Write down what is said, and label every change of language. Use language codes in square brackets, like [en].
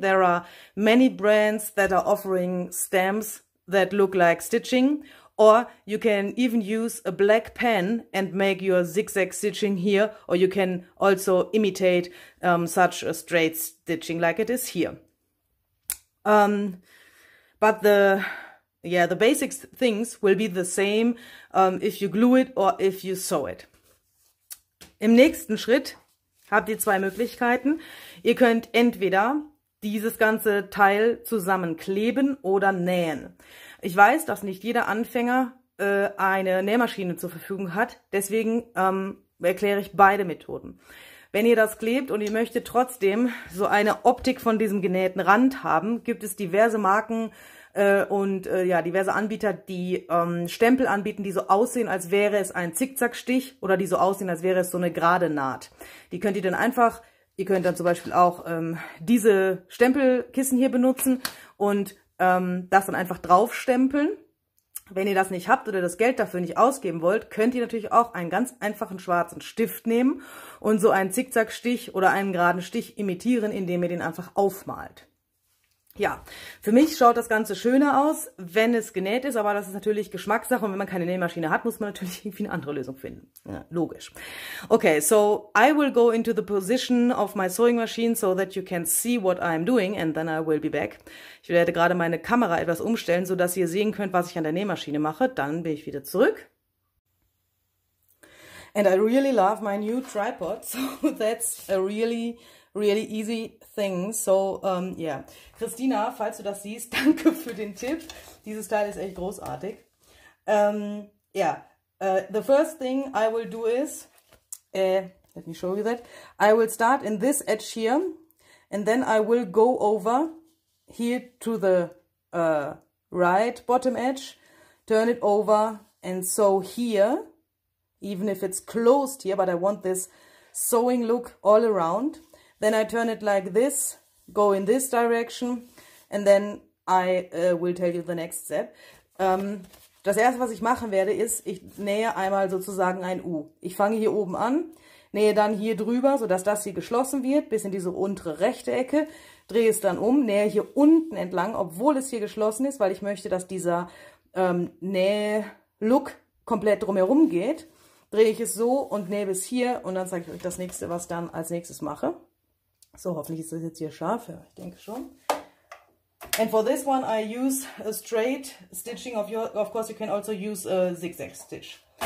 [en] There are many brands that are offering stamps that look like stitching, or you can even use a black pen and make your zigzag stitching here, or you can also imitate such a straight stitching like it is here. But the basic things will be the same if you glue it or if you sew it. [de] Im nächsten Schritt habt ihr zwei Möglichkeiten. Ihr könnt entweder dieses ganze Teil zusammenkleben oder nähen. Ich weiß, dass nicht jeder Anfänger eine Nähmaschine zur Verfügung hat. Deswegen erkläre ich beide Methoden. Wenn ihr das klebt und ihr möchtet trotzdem so eine Optik von diesem genähten Rand haben, gibt es diverse Marken und diverse Anbieter, die Stempel anbieten, die so aussehen, als wäre es ein Zickzackstich oder die so aussehen, als wäre es so eine gerade Naht. Die könnt ihr dann einfach. Ihr könnt dann zum Beispiel auch diese Stempelkissen hier benutzen und das dann einfach draufstempeln. Wenn ihr das nicht habt oder das Geld dafür nicht ausgeben wollt, könnt ihr natürlich auch einen ganz einfachen schwarzen Stift nehmen und so einen Zickzackstich oder einen geraden Stich imitieren, indem ihr den einfach aufmalt. Ja, für mich schaut das Ganze schöner aus, wenn es genäht ist, aber das ist natürlich Geschmackssache und wenn man keine Nähmaschine hat, muss man natürlich irgendwie eine andere Lösung finden. Ja, logisch. [en] Okay, so I will go into the position of my sewing machine so that you can see what I'm doing and then I will be back. [de] Ich werde gerade meine Kamera etwas umstellen, sodass ihr sehen könnt, was ich an der Nähmaschine mache. Dann bin ich wieder zurück. [en] And I really love my new tripod, so that's a really really easy thing. [de] So, Christina, falls du das siehst, danke für den Tipp. Dieses Teil ist echt großartig. [en] The first thing I will do is, let me show you that. I will start in this edge here and then I will go over here to the right bottom edge, turn it over and sew here, even if it's closed here, but I want this sewing look all around. Then I turn it like this, go in this direction, and then I will tell you the next step. [de] Das erste, was ich machen werde, ist, ich nähe einmal sozusagen ein U. Ich fange hier oben an, nähe dann hier drüber, sodass das hier geschlossen wird, bis in diese untere rechte Ecke, drehe es dann um, nähe hier unten entlang, obwohl es hier geschlossen ist, weil ich möchte, dass dieser Näh-Look komplett drumherum geht. Drehe ich es so und nähe bis hier und dann zeige ich euch das nächste, was ich dann als nächstes mache. So, hoffentlich ist das jetzt hier scharf. Ja, ich denke schon. [en] And for this one I use a straight stitching of your, of course you can also use a zigzag stitch.